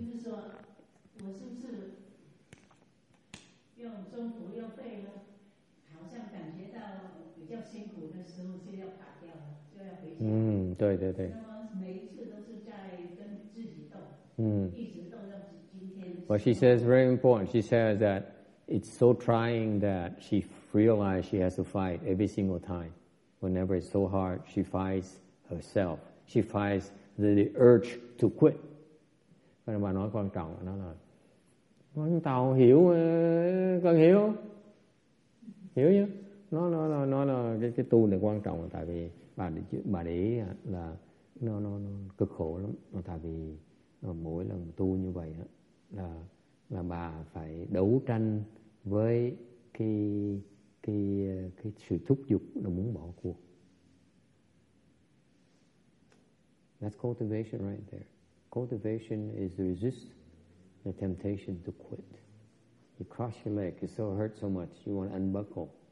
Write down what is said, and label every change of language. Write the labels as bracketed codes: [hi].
[zh] 就是说，我是不是用中途又背了？好像感觉到比较辛苦的时候就要垮掉了，就要回家。嗯，对对对。那么每一次都是在跟自己斗，嗯，一直斗到今天。 [en] Well, she says very important. She says that it's so trying that she realized she has to fight every single time. Whenever it's so hard, she fights herself. She fights the urge to quit. [vi] Nên bà nói quan trọng nó là con tàu hiểu, con hiểu, hiểu chứ? Nó là cái tu này quan trọng, tại vì bà để là nó cực khổ lắm, tại vì mỗi lần tu như vậy là bà phải đấu tranh với cái sự thúc giục là muốn bỏ cuộc. [en] That's cultivation right there. Cultivation is to resist the temptation to quit. You cross your leg, you so hurt so much, you want to unbuckle.